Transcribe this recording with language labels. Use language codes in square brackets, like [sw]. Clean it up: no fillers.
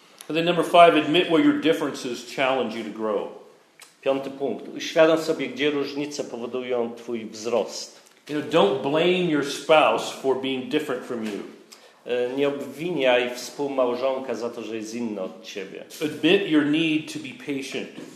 [en] And then number five, admit where your differences challenge you to grow. [pl] Piąty punkt. Uświadom sobie, gdzie różnice powodują twój wzrost. [en] You know, don't blame your spouse for being different from you. [pl] Nie obwiniaj współmałżonka za to, że jest inny od ciebie. [en] Admit your need to be patient.